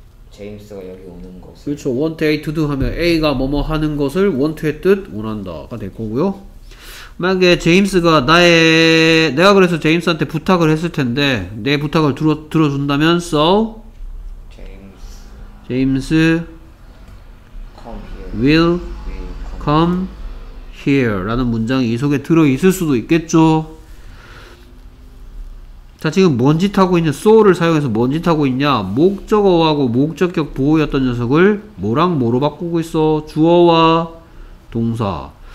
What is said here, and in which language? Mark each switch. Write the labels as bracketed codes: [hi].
[ko] 제임스가 여기 오는 것을. 그렇죠. Want A to do 하면 A가 뭐뭐 하는 것을 want의 뜻 원한다가 될 거고요. 만약에 제임스가 내가 그래서 제임스한테 부탁을 했을 텐데 내 부탁을 들어준다면 so [en] 제임스 come here. [ko] will come here 라는 문장이 이 속에 들어있을 수도 있겠죠. 자 지금 뭔 짓 하고 있냐, so를 사용해서 뭔 짓 하고 있냐, 목적어하고 목적격 보호였던 녀석을 뭐랑 뭐로 바꾸고 있어? 주어와 동사.